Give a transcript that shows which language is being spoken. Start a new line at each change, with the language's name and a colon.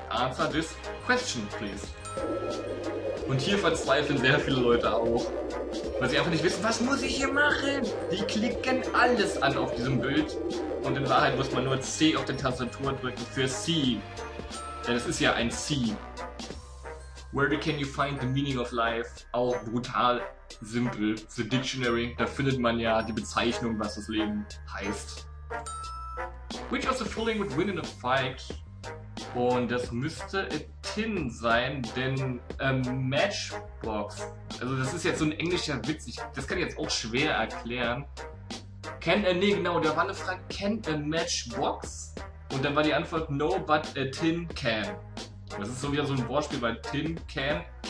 English: Answer this question, please.
German: Und hier verzweifeln sehr viele Leute auch, weil sie einfach nicht wissen, was muss ich hier machen? Die klicken alles an auf diesem Bild. Und in Wahrheit muss man nur C auf der Tastatur drücken für C. Denn es ist ja ein C.
English: Where can you find the meaning of life?
German: Auch brutal simpel.
English: The dictionary.
German: Da findet man ja die Bezeichnung, was das Leben heißt.
English: Which of the following would win in a fight?
German: Und das müsste a tin sein, denn a matchbox. Also das ist jetzt so ein englischer Witz. Das kann ich jetzt auch schwer erklären. Da war eine Frage,
English: can a matchbox?
German: Und dann war die Antwort,
English: no, but a tin can.
German: Das ist so wieder so ein Wortspiel bei tin can.